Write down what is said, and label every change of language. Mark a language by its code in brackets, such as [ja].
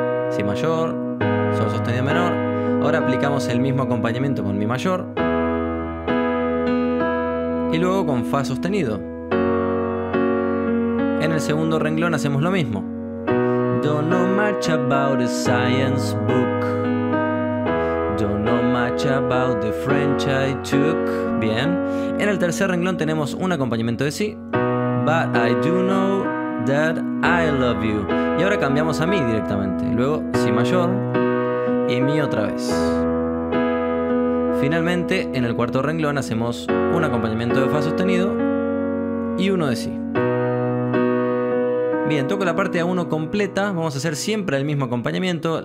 [es] Si mayor, Sol sostenido menor. Ahora aplicamos el mismo acompañamiento con Mi mayor. Y luego con Fa sostenido. En el segundo renglón hacemos lo mismo. [en] Don't know much about a science book. Don't know much about the French I took. [es] Bien. En el tercer renglón tenemos un acompañamiento de Si. [en] But I do know that I love you. [es] Y ahora cambiamos a Mi directamente. Luego Si mayor y Mi otra vez. Finalmente, en el cuarto renglón hacemos un acompañamiento de Fa sostenido y uno de Si. Bien, toco la parte A1 completa. Vamos a hacer siempre el mismo acompañamiento.